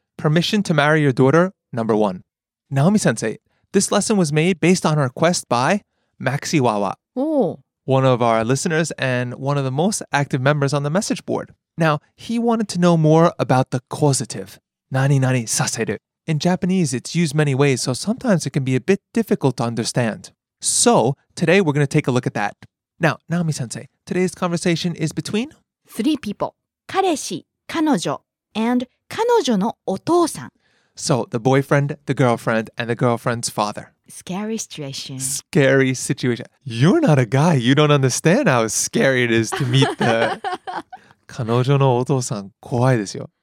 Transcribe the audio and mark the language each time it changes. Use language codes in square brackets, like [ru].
[en] Permission to marry your daughter number 1. Naomi-sensei, this lesson was made based on a request by Maxi Wawa, one of our listeners and one of the most active members on the message board. Now, he wanted to know more about the causative, 何々させる. In Japanese, it's used many ways, so sometimes it can be a bit difficult to understand. So, today we're going to take a look at that. Now, Naomi-sensei, today's conversation is between three people, 彼氏、彼女 and 彼女のお父さん。 So, the boyfriend, the girlfriend, and the girlfriend's father. Scary situation. Scary situation. You're not a guy. You don't understand how scary it is to meet the... [ja] 彼女のお父さん、怖いですよ。